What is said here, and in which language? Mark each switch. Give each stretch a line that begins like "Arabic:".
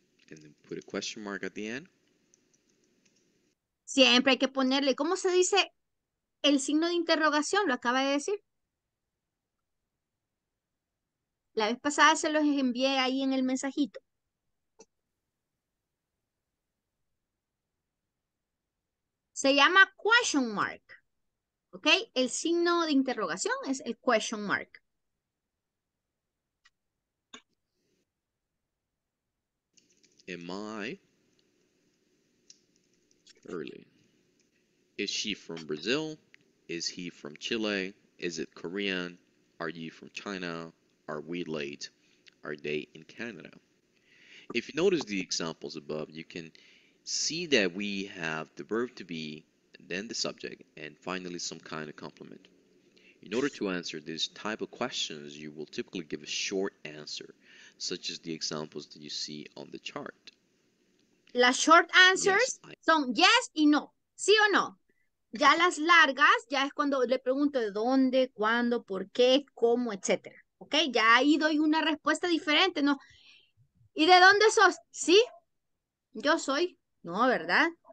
English: And then put a question mark at the end.
Spanish: Siempre hay que ponerle, ¿cómo se dice el signo de interrogación? Lo acaba de decir. La vez pasada se los envié ahí en el mensajito. Se llama question mark. ¿Ok? El signo de interrogación es el question mark.
English: Am I early? Is she from Brazil? Is he from Chile? Is it Korean? Are you from China? Are we late? Are they in Canada? If you notice the examples above, you can see that we have the verb to be, then the subject, and finally some kind of complement. In order to answer this type of questions, you will typically give a short answer, such as the examples that you see on the chart.
Spanish: Las short answers son yes y no, sí o no. Ya las largas, ya es cuando le pregunto de dónde, cuándo, por qué, cómo, etc. ¿Ok? Ya ahí doy una respuesta diferente, ¿no? ¿Y de dónde sos? ¿Sí? Yo soy. No, ¿verdad?